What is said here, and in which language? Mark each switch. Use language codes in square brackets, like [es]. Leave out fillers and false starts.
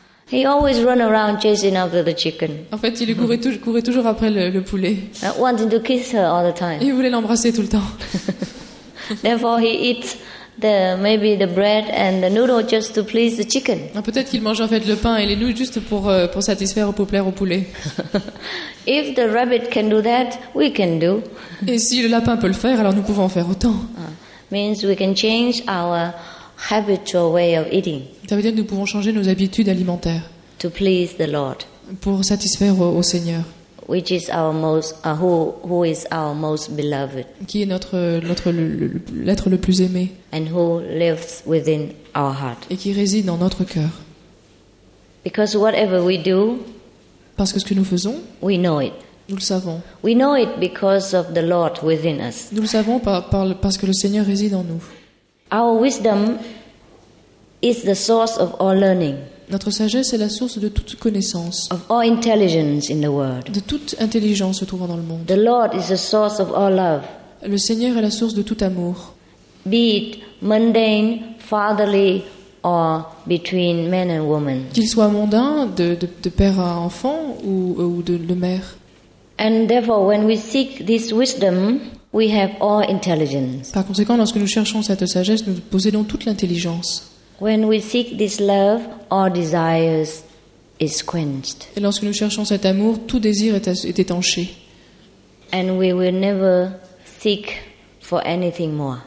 [en] He always run around chasing after the chicken. [fr] En fait, il courait toujours après le poulet. [en] Wanting to kiss her all the time. [fr] Il voulait l'embrasser tout le temps. [en] Therefore, he eats maybe the bread and the noodle just to please the chicken. [fr] Peut-être qu'il mange en fait le pain et les nouilles juste pour satisfaire ou pour plaire au poulet. [en] If the rabbit can do that, we can do. [fr] Et si le lapin peut le faire, alors nous pouvons en faire autant. [en] Means we can change our habitual way of eating. [fr] Ça veut dire que nous pouvons changer nos habitudes alimentaires. [en] To please the Lord. [fr] Pour satisfaire au Seigneur. [en] Which is our most, who is our most beloved. [fr] Qui est l'être le plus aimé. [en] And who lives within our heart. [fr] Et qui réside dans notre cœur. [en] Because whatever we do. [fr] Parce que ce que nous faisons. [en] We know it. [fr] Nous le savons. [en] We know it because of the Lord within us. [fr] Nous le savons parce que le Seigneur réside en nous. [en] Our wisdom is the source of all learning. [fr] Notre sagesse est la source de toute connaissance. [en] Of all intelligence in the world. [fr] De toute intelligence se trouvant dans le monde. [en] The Lord is the source of all love. [fr] Le Seigneur est la source de tout amour. [en] Be it mundane, fatherly, or between man and woman. [fr] Qu'il soit mondain, de père à enfant ou de mère. [en] And therefore, when we seek this wisdom, we have all intelligence. [fr] Par conséquent, lorsque nous cherchons cette sagesse, nous possédons toute l'intelligence. [en] When we seek this love, all desires is quenched. [fr] Et lorsque nous cherchons cet amour, tout désir est étanché. [en] And we will never seek for anything more.